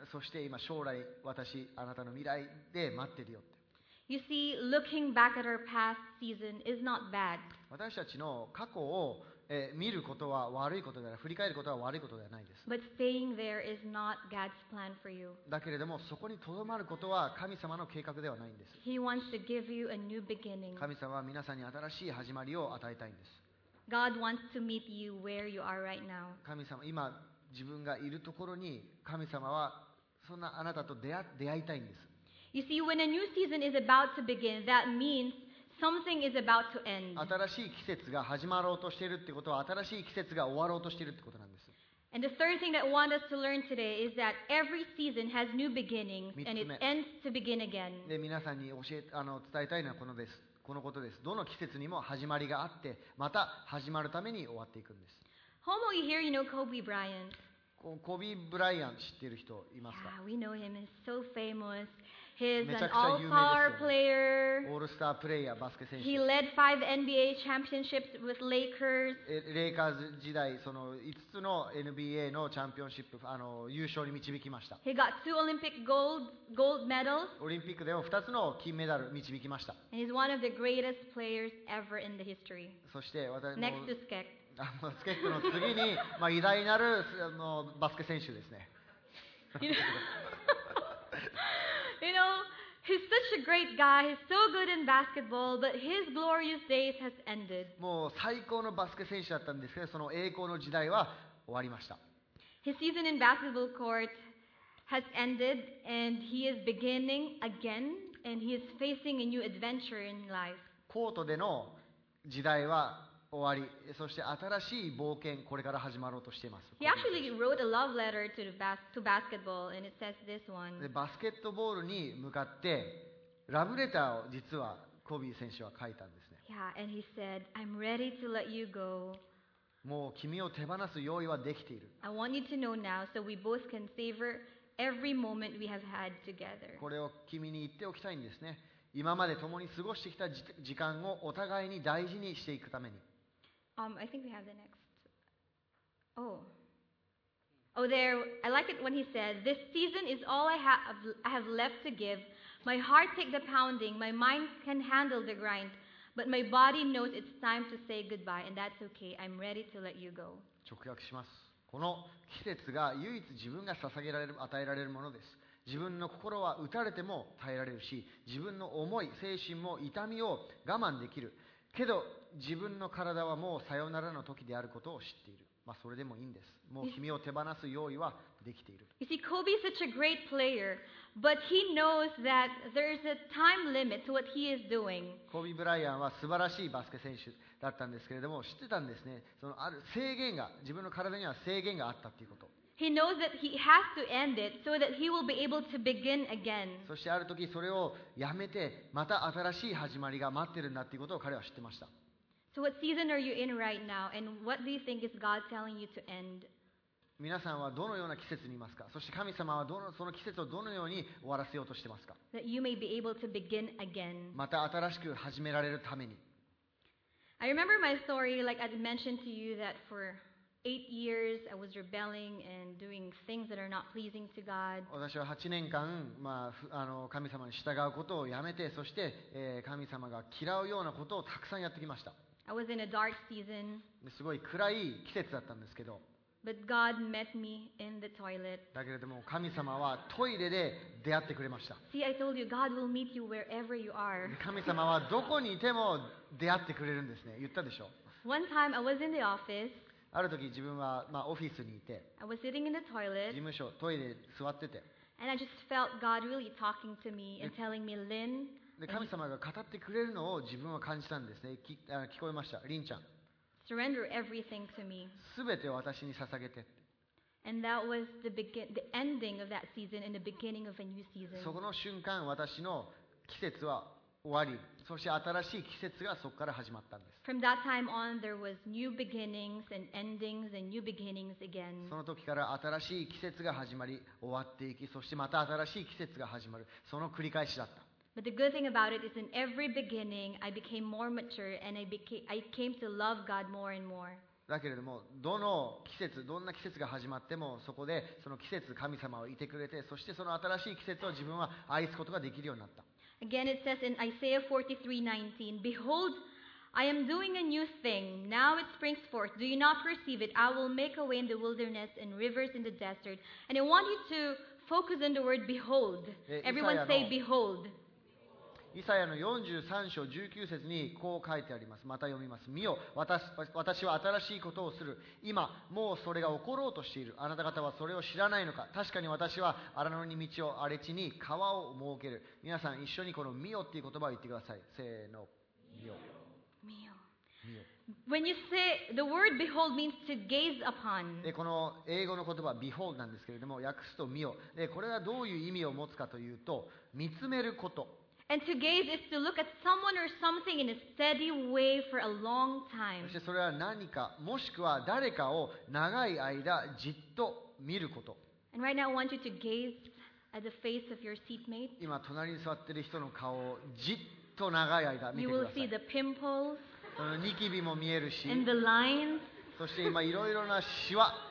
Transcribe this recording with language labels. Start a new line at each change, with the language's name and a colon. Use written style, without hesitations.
Japanese: そして今将来、私あなたの未来で待ってるよって。
English: You see, looking back at our past season is not bad.
Japanese: 私たちの過去を見ることは悪いことではない、振り返ることは悪いことではないです。
English: But staying there is not God's plan for you.
Japanese: だけれども、そこに留まることは神様の計画ではないんです。
English: He wants to give you a new beginning.
Japanese: 神様は皆さんに新しい始まりを与えたいんです。
English: God wants to meet you where you are right now.
Japanese: 神様、今自分がいるところに神様はそんなあなたと出会いたいんです。
English: You see, when a new season is about to begin, that means something is about to end.
Japanese: 新しい季節が始まろうとしているってことは、新しい季節が終わろうとしているってことなんです。
English: And the third thing that I want us to learn today is that every season has new beginnings and it ends to begin again.
Japanese: で、皆さんに伝えたいのはこのです。このことです。どの季節にも始まりがあって、また始まるために終わっていくんです。
English: Homo, you hear, you know Kobe Bryant.
Japanese: Kobe Bryant 知ってる人いますか？
English: Yeah, we know him. He's so famous. He's an all-star player.
Japanese: オールスタープレイヤー、バスケ選手。
English: He led five NBA championships with Lakers.
Japanese: レイカーズ時代、その5つの NBA のチャンピオンシップ、優勝に導きました。
English: He got two Olympic gold medals.
Japanese: オリンピックでも2つの金メダル導きました。
English: And he's one of the greatest players ever in the history.
Japanese: そして私、
English: Next to Skek.
Japanese: スケックの次に、まあ、偉大なるバスケ選手ですね。
English: You know, he's such a great guy. He's so good in basketball, but his glorious days has ended.
Japanese: もう最高のバスケ選手だったんですけど、その栄光の時代は終わりました。
English: His season in basketball court has ended, and he is beginning again, and he is facing a new adventure in life.
Japanese: コートでの時代は終わり、そして新しい冒険、これから始まろうとしています。
English: He actually wrote a love letter to basketball and it says this one.
Japanese: で、バスケットボールに向かってラブレターを実はコビー選手は書いたんですね。
English: Yeah, and he said, I'm ready to let you go.
Japanese: もう君を手放す用意はできている。
English: I want you to know now so we both can savor every moment we have had together.
Japanese: これを君に言っておきたいんですね。今まで共に過ごしてきた時間をお互いに大事にしていくために。
English: I think we have the next. Oh, there. I like it when he said, "This season is all I have left to give. My heart takes the pounding. My mind can handle the grind, but my body knows it's time to say goodbye, and that's okay. I'm ready to let you go."
Japanese: 直訳します。この季節が唯一自分が捧げられる、与えられるものです。自分の心は打たれても耐えられるし、自分の思い、精神も痛みを我慢できる。けど、自分の体はもうさよならの時であることを知っている。まあ、それでもいいんです。もう君を手放す用意はできている。
English: You see, Kobe is such a great player, but he knows that there is a time limit to what he is doing.
Japanese: コビー・ブライアンは素晴らしいバスケ選手だったんですけれども、知ってたんですね。そのある制限が、自分の体には制限があったということ。
English: He knows that he has to end it so that he will be able to begin again.
Japanese: そしてある時それをやめてまた新しい始まりが待ってるんだっていうことを彼は知ってました。
English: So what season are you in right now? And what do you think is God telling you to end?
Japanese: 皆さんはどのような季節にいますか？そして神様はその季節をどのように終わらせようとしてますか？
English: That you may be able to begin again.
Japanese: また新しく始められるために。
English: I remember my story like I mentioned to you that for8 years I was rebelling and doing things that are not pleasing to God.
Japanese: 私は8年間、まあ、神様に従うことをやめて、そして、神様が嫌うようなことをたくさんやってきました。
English: I was in a dark season.
Japanese: すごい暗い季節だったんですけど。
English: But God met me in the toilet.
Japanese: だけれども神様はトイレで出会ってくれました。
English: See, I told you, God will meet you wherever you are.
Japanese: 神様はどこにいても出会ってくれるんですね。言ったでしょ。
English: One time I was in the office.
Japanese: ある時自分はまあオフィスにいて。
English: I was sitting in the toilet.
Japanese: 事務所トイレ座ってて。
English: And I just felt God really talking to me and telling me, Lin.
Japanese: で神様が語ってくれるのを自分は感じたんですね。聞こえました。リンちゃん。
English: Surrender everything to me.
Japanese: 全てを私に捧げて。
English: And that was the ending of that season and the beginning of a new season.
Japanese: そこの瞬間、私の季節は終わり、そして新しい季節がそこから始まったんです。
English: From that time on, there was new beginnings and endings and new beginnings again.
Japanese: その時から新しい季節が始まり、終わっていき、そしてまた新しい季節が始まる、その繰り返しだった。
English: But the good thing about it is in every beginning I became more mature and I came to love God more and more.
Japanese: だけれどもどの季節どんな季節が始まってもそこでその季節神様をいてくれてそしてその新しい季節を自分は愛すことができるようになった。
English: Again it says in Isaiah 43:19 Behold, I am doing a new thing. Now it springs forth. Do you not perceive it? I will make a way in the wilderness and rivers in the desert. And I want you to focus on the word behold. Everyone say behold.
Japanese: イサヤの43章19節にこう書いてあります。また読みます。見よ、私は新しいことをする。今、もうそれが起ころうとしている。あなた方はそれを知らないのか。確かに私は荒野に道を、荒れ地に川を設ける。皆さん一緒にこの見よっていう言葉を言ってください。せーの、見よ。見よ。見よ。
English: When you say the word behold means to gaze upon.
Japanese: でこの英語の言葉 behold なんですけれども、訳すと見よ。でこれはどういう意味を持つかというと、見つめること。
English: And to gaze is to look at someone or something in a steady way for a long time.
Japanese: そしてそれは何か、もしくは誰かを長い間じっと見ること。
English: And right now I want you to gaze at the face of your seatmate.
Japanese: 今隣に座ってる人の顔をじっと長い間見てください。
English: You will see the pimples.
Japanese: そのニキビも見えるし。
English: And the lines.
Japanese: そして今いろいろなシワ。